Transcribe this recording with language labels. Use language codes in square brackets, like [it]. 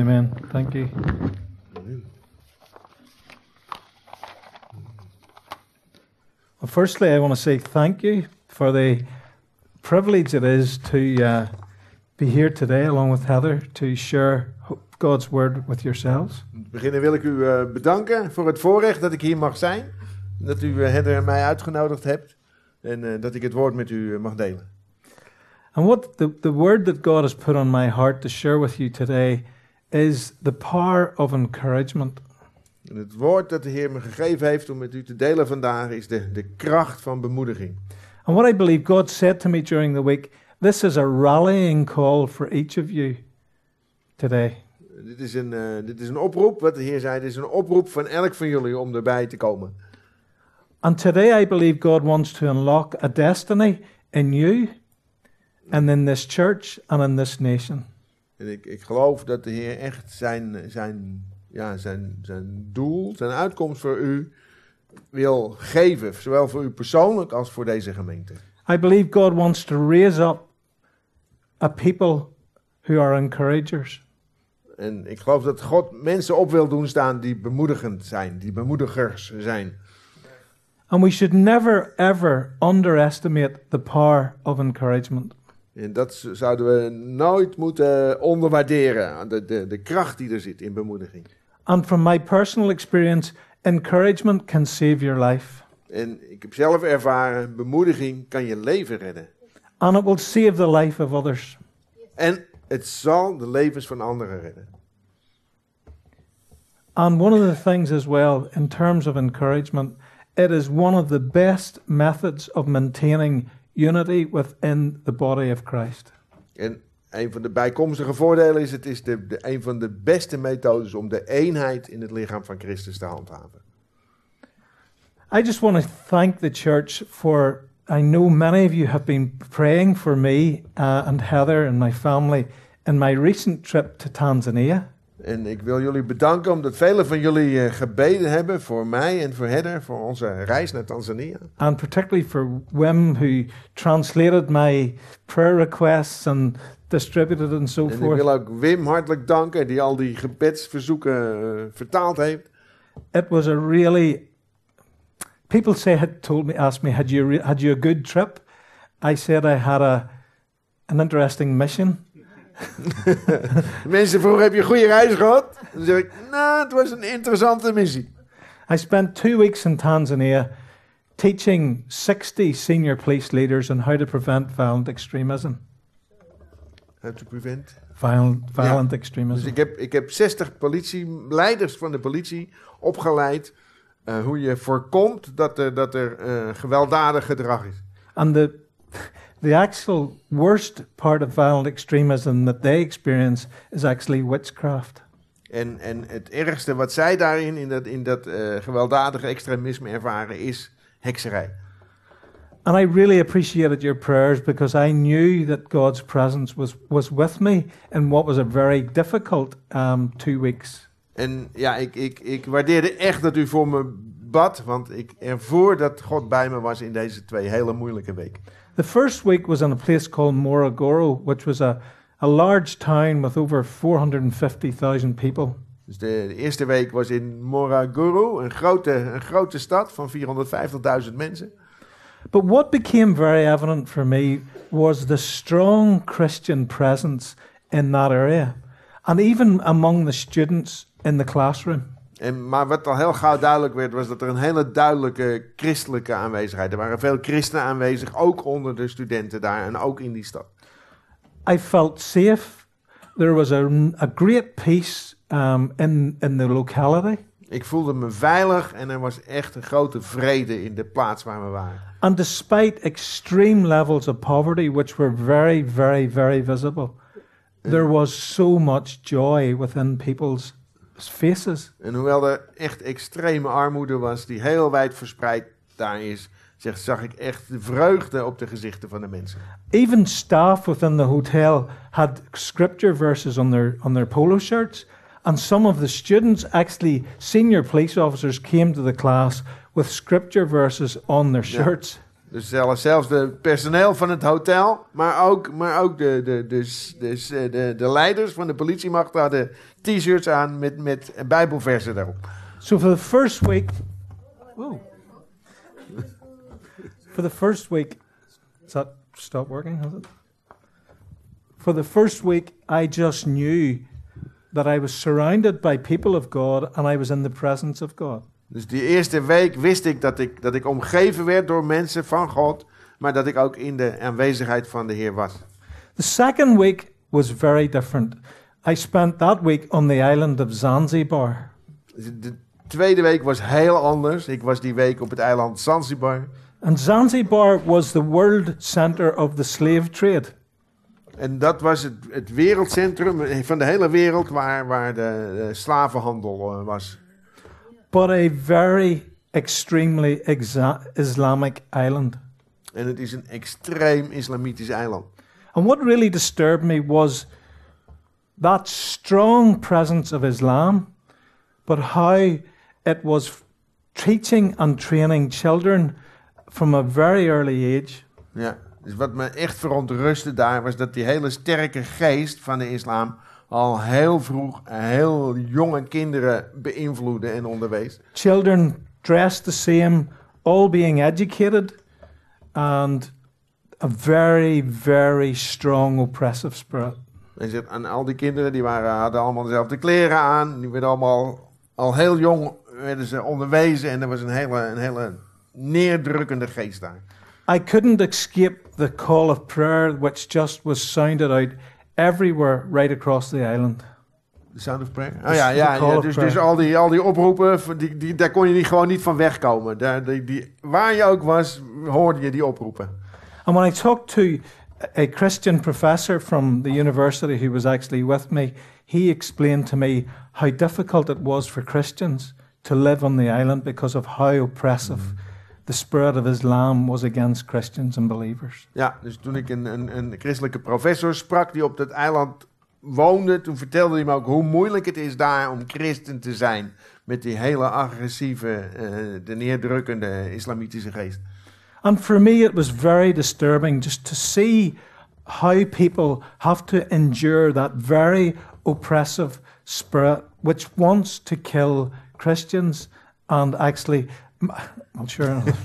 [en] Amen. Thank you. Well, firstly, I want to say thank you for the privilege it is to be here today along with Heather to share God's word with yourselves. [nl] In het begin wil ik u bedanken voor het voorrecht dat ik hier mag zijn. Dat u Heather en mij uitgenodigd hebt. En dat ik het woord met u mag delen. [en] And what the word that God has put on my heart to share with you today is the power of encouragement. [nl] En het woord dat de Heer me gegeven heeft om met u te delen vandaag is de kracht van bemoediging. [en] And what I believe God said to me during the week, this is a rallying call for each of you today. [nl] Dit is een oproep wat de Heer zei. Dit is een oproep van elk van jullie om erbij te komen. [en] And today I believe God wants to unlock a destiny in you and in this church and in this nation. [nl] En ik geloof dat de Heer echt zijn doel, zijn uitkomst voor u wil geven, zowel voor u persoonlijk als voor deze gemeente. [en] I believe God wants to raise up a people who are encouragers. [nl] En ik geloof dat God mensen op wil doen staan die bemoedigend zijn, die bemoedigers zijn. [en] And we should never ever underestimate the power of encouragement. [nl] En dat zouden we nooit moeten onderwaarderen, de kracht die er zit in bemoediging. [en] And from my personal experience, encouragement can save your life. [nl] En ik heb zelf ervaren, bemoediging kan je leven redden. [en] And it will save the life of others. [nl] En het zal de levens van anderen redden. [en] And one of the things as well, in terms of encouragement, it is one of the best methods of maintaining unity within the body of Christ. [nl] En een van de bijkomstige voordelen is, het is een van de beste methodes om de eenheid in het lichaam van Christus te handhaven. [en] I just want to thank the church for, I know many of you have been praying for me and Heather and my family in my recent trip to Tanzania. [nl] En ik wil jullie bedanken omdat velen van jullie gebeden hebben voor mij en voor Heather, voor onze reis naar Tanzania. [en] And particularly for Wim, who translated my prayer requests and distributed and so forth. [nl] En ik wil ook Wim hartelijk danken die al die gebedsverzoeken vertaald heeft. [en] It was a really, people say, asked me, had you a good trip? I said I had an interesting mission. [nl] Mensen vroegen, heb je een goede reis gehad? Dan zeg ik, het was een interessante missie. [en] I spent 2 weeks in Tanzania teaching 60 senior police leaders on how to prevent violent extremism. How to prevent? Violent extremism. [nl] Dus ik heb 60 politieleiders van de politie opgeleid hoe je voorkomt dat er gewelddadig gedrag is. [en] And the actual worst part of violent extremism that they experience is actually witchcraft. [nl] En het ergste wat zij daarin in dat gewelddadige extremisme ervaren is hekserij. [en] And I really appreciated your prayers because I knew that God's presence was with me in what was a very difficult 2 weeks. [nl] En ja, ik waardeerde echt dat u voor me bad, want ik ervoer dat God bij me was in deze 2 hele moeilijke weken. [en] The first week was in a place called Morogoro, which was a large town with over 450,000 people. [nl] Dus de eerste week was in Morogoro, een grote stad van 450,000 mensen. [en] But what became very evident for me was the strong Christian presence in that area, and even among the students in the classroom. [nl] Maar wat al heel gauw duidelijk werd, was dat er een hele duidelijke christelijke aanwezigheid. Er waren veel christenen aanwezig, ook onder de studenten daar en ook in die stad. [en] I felt safe. There was a great peace in the locality. [nl] Ik voelde me veilig en er was echt een grote vrede in de plaats waar we waren. [en] And despite extreme levels of poverty, which were very, very, very visible, there was so much joy within people's faces. [nl] En hoewel er echt extreme armoede was die heel wijd verspreid daar is, zag ik echt de vreugde op de gezichten van de mensen. [en] Even staff within the hotel had scripture verses on their polo shirts. And some of the students, actually senior police officers, came to the class with scripture verses on their shirts. [nl] Ja, dus zelfs de personeel van het hotel, maar ook de leiders van de politiemacht hadden t-shirts aan met bijbelversen daarop. [en] So for the first week, does that stop working? Has it? For the first week, I just knew that I was surrounded by people of God and I was in the presence of God. [nl] Dus die eerste week wist ik dat ik omgeven werd door mensen van God, maar dat ik ook in de aanwezigheid van de Heer was. [en] The second week was very different. I spent that week on the island of Zanzibar. [nl] De tweede week was heel anders. Ik was die week op het eiland Zanzibar. [en] And Zanzibar was the world center of the slave trade. [nl] En dat was het wereldcentrum van de hele wereld waar de slavenhandel was. [en] But a very extremely Islamic island. [nl] En het is een extreem islamitisch eiland. [en] And what really disturbed me was that strong presence of Islam, but how it was teaching and training children from a very early age. [nl] Ja. Dus wat me echt verontrustte daar was dat die hele sterke geest van de islam al heel vroeg heel jonge kinderen beïnvloedde en onderwees. [en] Children dressed the same, all being educated, and a very, very strong oppressive spirit. [nl] En zegt, en al die kinderen die hadden allemaal dezelfde kleren aan, die werden allemaal al heel jong werden ze onderwezen en er was een hele neerdrukkende geest daar. [en] I couldn't escape the call of prayer which just was sounded out everywhere right across the island. The sound of prayer? [nl] Dus al die oproepen, die daar kon je niet gewoon niet van wegkomen. Waar je ook was, hoorde je die oproepen. [en] And when I talked to a Christian professor from the university who was actually with me, he explained to me how difficult it was for Christians to live on the island because of how oppressive the spirit of Islam was against Christians and believers. [nl] Ja, dus toen ik een christelijke professor sprak die op dat eiland woonde, toen vertelde hij me ook hoe moeilijk het is daar om christen te zijn met die hele agressieve, de neerdrukkende islamitische geest. [en] And for me it was very disturbing just to see how people have to endure that very oppressive spirit which wants to kill Christians and actually sure.